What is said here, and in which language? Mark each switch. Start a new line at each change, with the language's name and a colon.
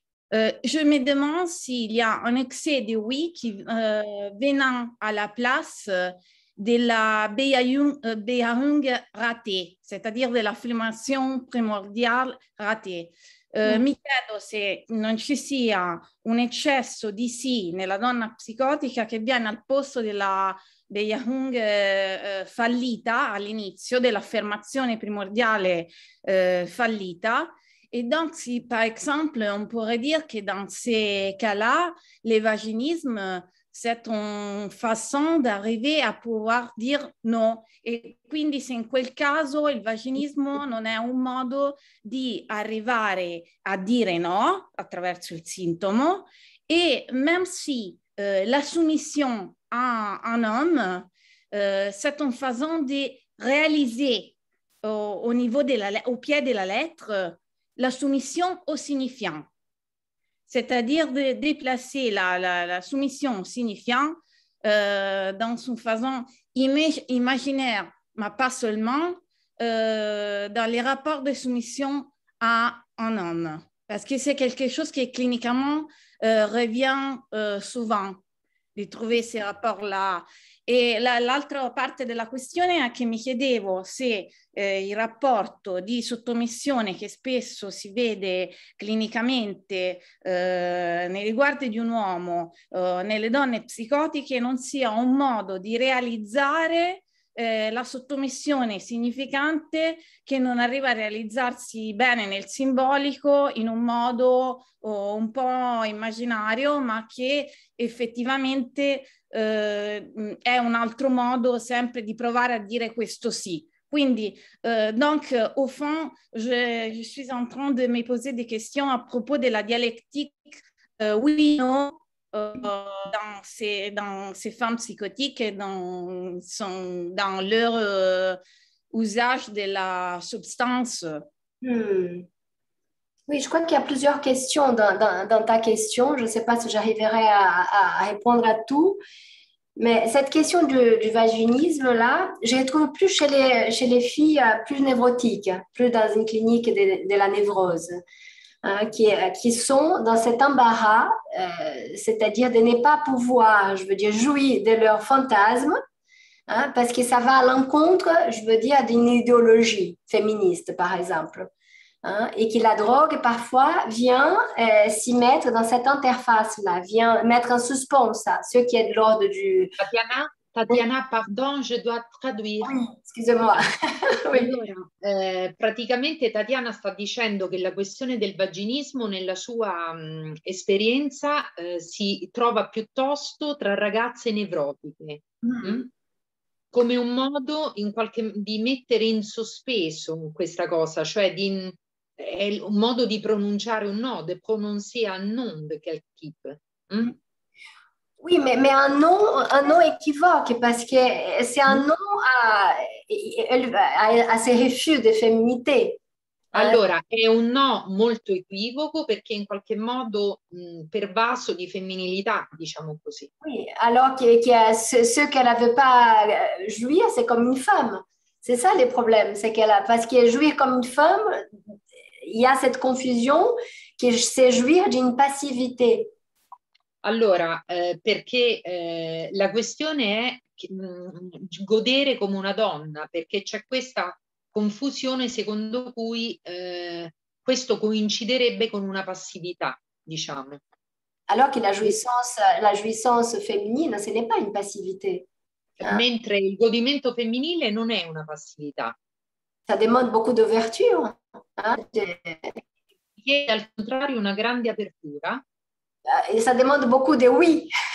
French: Je me demande s'il y a un excès de oui qui venant à la place della Beharung ratée, c'est-à-dire
Italian: della affirmazione primordiale
French: ratée.
Italian: Mi chiedo se non ci sia un eccesso di sì nella donna psicotica che viene al posto della Beharung fallita all'inizio, dell'affermazione primordiale fallita.
French: Et donc, si par exemple, on pourrait dire que dans ces cas-là, le vaginisme, c'est une façon d'arriver à pouvoir dire non. Et
Italian: quindi, se in quel caso il vaginismo non è un modo di arrivare a dire no attraverso il sintomo,
French: e même si la soumission a un homme, c'est une façon de réaliser au niveau de la, au pied de la lettre, la soumission au signifiant, c'est-à-dire de déplacer la soumission au signifiant dans une façon imaginaire, mais pas seulement, dans les rapports de soumission à un homme. Parce que c'est quelque chose qui cliniquement revient souvent, de trouver ces rapports-là.
Italian: Et l'altra parte della questione è che mi chiedevo se il rapporto di sottomissione che spesso si vede clinicamente nei riguardi di un uomo, nelle donne psicotiche, non sia un modo di realizzare la sottomissione significante che non arriva a realizzarsi bene nel simbolico, in un modo un po' immaginario, ma che effettivamente è un altro modo sempre di provare a dire questo sì.
French: Quindi, donc, au fond, je suis en train de me poser des questions à propos de la dialectique oui-no dans ces femmes psychotiques et dans leur usage de la substance. Oui, je crois qu'il y a plusieurs questions dans ta question. Je ne sais pas si j'arriverai à répondre à tout. Mais cette question du vaginisme, là, je la trouve plus chez les filles plus névrotiques, plus dans une clinique de la névrose, qui sont dans cet embarras, c'est-à-dire de ne pas pouvoir, je veux dire, jouir de leurs fantasmes, hein, parce que ça va à l'encontre, je veux dire, d'une idéologie féministe, par exemple. Hein, et que la drogue, parfois, vient s'y mettre dans cette interface-là, vient mettre en suspens ça, ce qui est de l'ordre du... Tatiana, pardon, je dois traduire. Excusez-moi.
Italian: Allora, praticamente Tatiana sta dicendo che la questione del vaginismo nella sua esperienza si trova piuttosto tra ragazze nevrotiche, come un modo in qualche di mettere in sospeso questa cosa, cioè è un modo di pronunciare un no,
French: de prononcer un non de quel type. Oui, mais un non équivoque, parce que c'est un non à ces refus de féminité.
Italian: Allora, è un no molto equivoco, perché in qualche modo pervaso di femminilità, diciamo così.
French: Oui, alors que ce qu'elle n'avait pas jouir, c'est comme une femme. C'est ça le problème, c'est qu'elle a, parce que jouir comme une femme, il y a cette confusion que c'est jouir d'une passivité.
Italian: Allora, perché la questione è godere come una donna, perché c'è questa confusione secondo cui questo coinciderebbe con una passività, diciamo.
French: Alors que la jouissance féminine, ce n'est pas une passivité.
Italian: Mentre il godimento femminile non è una passività.
French: ça demande beaucoup d'ouverture. Hein? Et,
Italian: al contrario,
French: une grande apertura. Et ça demande beaucoup de oui.